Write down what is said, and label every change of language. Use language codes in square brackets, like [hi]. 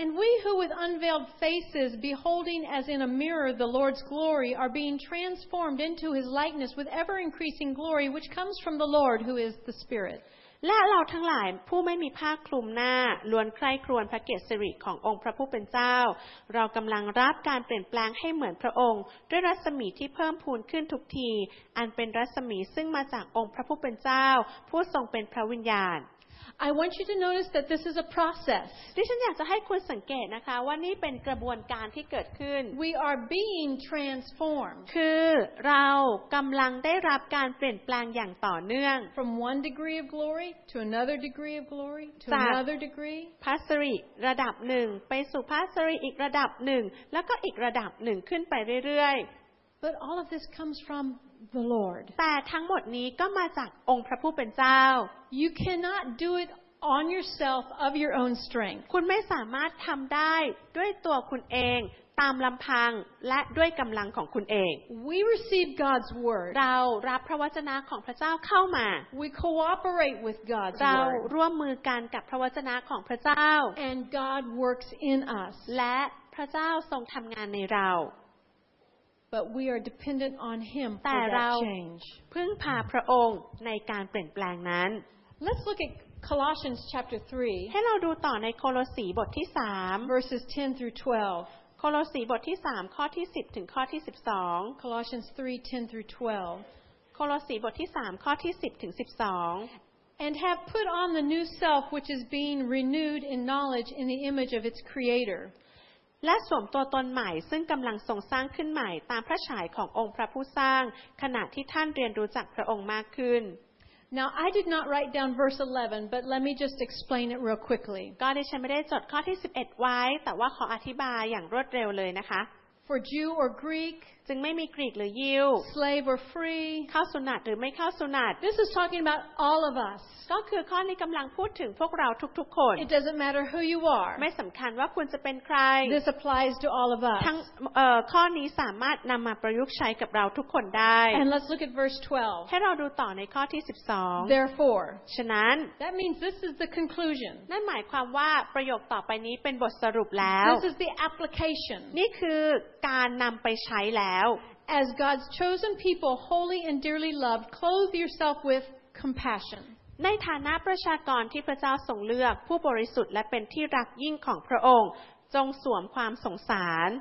[en] And we who with unveiled faces beholding as in a mirror the Lord's glory are being transformed into his likeness with ever increasing glory which comes from the Lord who is the Spirit. [th] และเราทั้งหลายผู้ไม่มีผ้าคลุมหน้าล้วนใคร่ครวญพระเกศสิริขององค์พระผู้เป็นเจ้าเรากำลังรับการเปลี่ยนแปลงให้เหมือนพระองค์ด้วยรัศมีที่เพิ่มพูนขึ้นทุกทีอันเป็นรัศมีซึ่งมาจากองค์พระผู้เป็นเจ้าผู้ทรงเป็นพระวิญญาณ [en] I want you to notice that this is a process. [th] ดิฉันอยากจะให้คุณสังเกตนะคะว่านี่เป็นกระบวนการที่เกิดขึ้น [en] We are being transformed. [th] คือเรากำลังได้รับการเปลี่ยนแปลงอย่างต่อเนื่อง [en] From one degree of glory to another degree of glory to another degree. [th] พระสิริระดับหนึ่งไปสู่พระสิริอีกระดับหนึ่งแล้วก็อีกระดับหนึ่งขึ้นไปเรื่อย [en] ๆ But all of this comes fromThe Lord. [th] แต่ทั้งหมดนี้ก็มาจากองค์พระผู้เป็นเจ้า [en] You cannot do it on yourself of your own strength. [th] คุณไม่สามารถทำได้ด้วยตัวคุณเองตามลำพังและด้วยกำลังของคุณเอง [en] We receive God's word. [th] เรารับพระวจนะของพระเจ้าเข้ามา [en] We cooperate with God's word. [th] เราร่วมมือกันกับพระวจนะของพระเจ้า [en] And God works in us. [th] และพระเจ้าทรงทำงานในเรา [en] But we are dependent on Him for that change. [th] พึ่งพาพระองค์ในการเปลี่ยนแปลงนั้น [en] Let's look at Colossians chapter 3. [th] ให้เราดูต่อในโคโลสีบทที่3 [en] verses 10 through 12. [th] โคโลสีบทที่3ข้อที่10ถึงข้อที่12 [en] Colossians 3:10 through 12. [th] โคโลสีบทที่3ข้อที่10ถึง12 [en] And have put on the new self which is being renewed in knowledge in the image of its Creator. [th] และสวมตัวตนใหม่ซึ่งกำลังทรงสร้างขึ้นใหม่ตามพระฉายขององค์พระผู้สร้างขณะที่ท่านเรียนรู้จักพระองค์มากขึ้น [en] Now I did not write down verse 11 but let me just explain it real quickly [th] ก็ดิฉันไม่ได้จดข้อที่11ไว้แต่ว่าขออธิบายอย่างรวดเร็วเลยนะคะ [en] For Jew or Greek [th] จึงไม่มีกรีกหรือยิว [en] slave or free [th] เข้าสุนัตหรือไม่เข้าสุนัต [en] this is talking about all of us [th] ก็คือข้อนี้กำลังพูดถึงพวกเราทุกๆคน [en] it doesn't matter who you are [th] ไม่สำคัญว่าคุณจะเป็นใคร [en] this applies to all of us [th] ทั้งข้อนี้สามารถนำมาประยุกต์ใช้กับเราทุกคนได้ [en] and let's look at verse 12 [th] ให้เราดูต่อในข้อที่12 [en] therefore [th] ฉะนั้น [en] that means this is the conclusion [th] นั่นหมายความว่าประโยคต่อไปนี้เป็นบทสรุปแล้ว [en] this is the application [th] นี่คือการนำไปใช้แล้ว [en] as God's chosen people holy and dearly loved clothe yourself with compassion [th] ในฐานะประชากรที่พระเจ้าทรงเลือกผู้บริสุทธิ์และเป็นที่รักยิ่งของพระองค์จงสวมความสงสาร